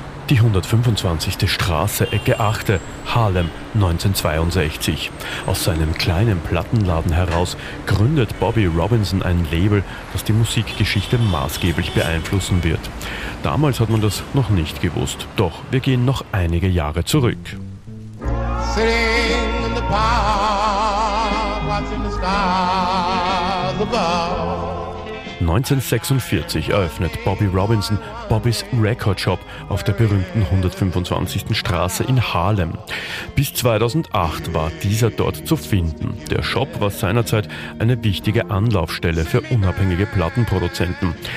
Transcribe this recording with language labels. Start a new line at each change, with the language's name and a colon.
German: Die 125. Straße, Ecke 8, Harlem, 1962. Aus seinem kleinen Plattenladen heraus gründet Bobby Robinson ein Label, das die Musikgeschichte maßgeblich beeinflussen wird. Damals hat man das noch nicht gewusst. Doch wir gehen noch einige Jahre zurück.
English: Sitting in the park, watching the stars above.
German: 1946 eröffnet Bobby Robinson Bobby's Record Shop auf der berühmten 125. Straße in Harlem. Bis 2008 war dieser dort zu finden. Der Shop war seinerzeit eine wichtige Anlaufstelle für unabhängige Plattenproduzenten.